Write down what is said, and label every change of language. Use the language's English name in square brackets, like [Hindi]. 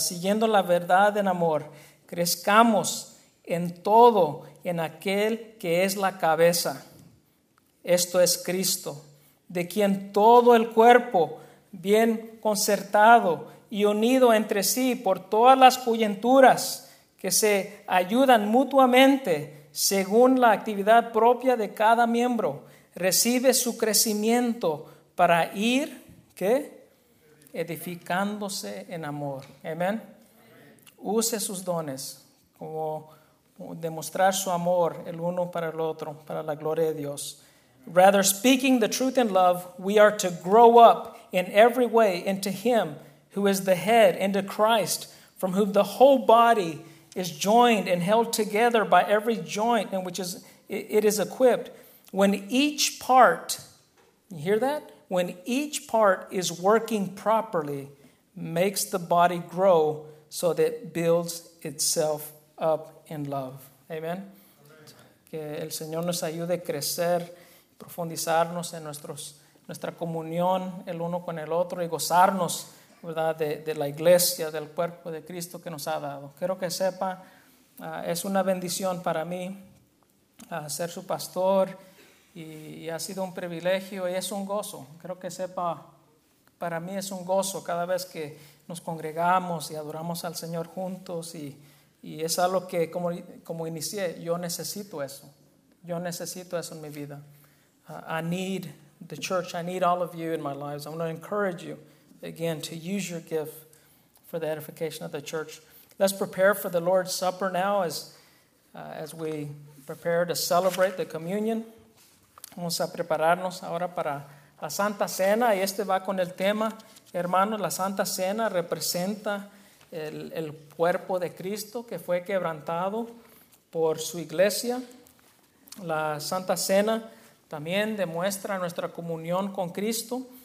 [Spanish] Siguiendo la verdad en amor, crezcamos en todo en aquel que es la cabeza, esto es Cristo, de quien todo el cuerpo, bien concertado y unido entre sí por todas las coyunturas que se ayudan mutuamente, según la actividad propia de cada miembro, recibe su crecimiento para ir, ¿qué? Edificándose en amor. ¿Amén? Use sus dones como demostrar su amor el uno para el otro, para la gloria de Dios. [English] Rather, speaking the truth in love, we are to grow up in every way into Him who is the head, into Christ, from whom the whole body is joined and held together by every joint in which it is equipped. When each part, you hear that? When each part is working properly, makes the body grow so that it builds itself up in love. Amen? Amen. [Spanish] Que el Señor nos ayude a crecer, profundizarnos en nuestra comunión el uno con el otro y gozarnos, ¿verdad? De la iglesia, del cuerpo de Cristo que nos ha dado. Quiero que sepa, es una bendición para mí ser su pastor y ha sido un privilegio y es un gozo. Quiero que sepa, para mí es un gozo cada vez que nos congregamos y adoramos al Señor juntos y es algo que, como inicié, yo necesito eso. Yo necesito eso en mi vida. [English] I need the church. I need all of you in my lives. I want to encourage you. Again, to use your gift for the edification of the church. Let's prepare for the Lord's Supper now as we prepare to celebrate the communion. [Spanish] Vamos a prepararnos ahora para la Santa Cena. Y este va con el tema, hermanos. La Santa Cena representa el cuerpo de Cristo que fue quebrantado por su iglesia. La Santa Cena también demuestra nuestra comunión con Cristo.